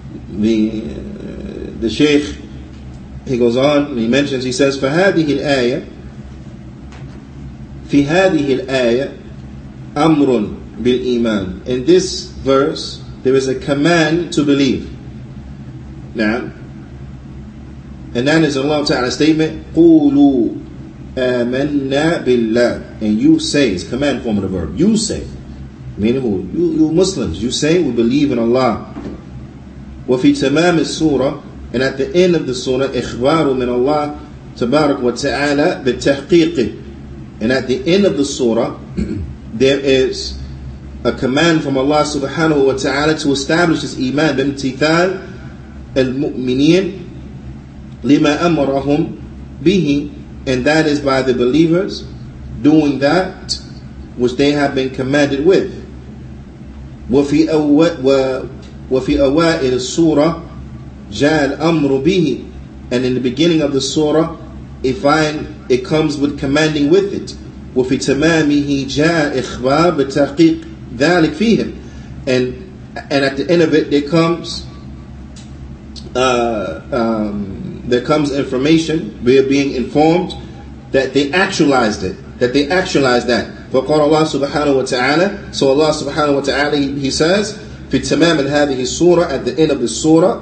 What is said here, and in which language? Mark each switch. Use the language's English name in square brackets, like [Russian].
[English] The Shaykh, he goes on, he mentions, he says, [Arabic] فهذه الآية في هذه الآية أمر بالإيمان. [English] In this verse, there is a command to believe. Now, and that is Allah Ta'ala's statement, [Arabic] قولوا آمنا بالله. [English] And you say, it's a command form of the verb, you say. Meaning, you Muslims, you say, we believe in Allah. [Arabic] وفي تمام السورة, [English] and at the end of the surah, [Arabic] إخبار من الله تبارك وتعالى بالتحقيق. [English] And at the end of the surah, there is a command from Allah subhanahu wa ta'ala to establish his iman, [Arabic] بامتثال المؤمنين لما أمرهم به. [English] And that is by the believers doing that which they have been commanded with. [Arabic] وفي أوائل السورة جاء الأمر به. [English] And in the beginning of the surah, it comes with commanding with it. [Arabic] وفي تمامه جاء إخبار بتحقيق ذلك فيهم. [English] And at the end of it, there comes information. We are being informed that they actualized it. That they actualized that. [Arabic] فقال الله سبحانه وتعالى. [English] So Allah subhanahu wa ta'ala, he says, [Arabic] في تمام هذه السورة, [English] at the end of the surah.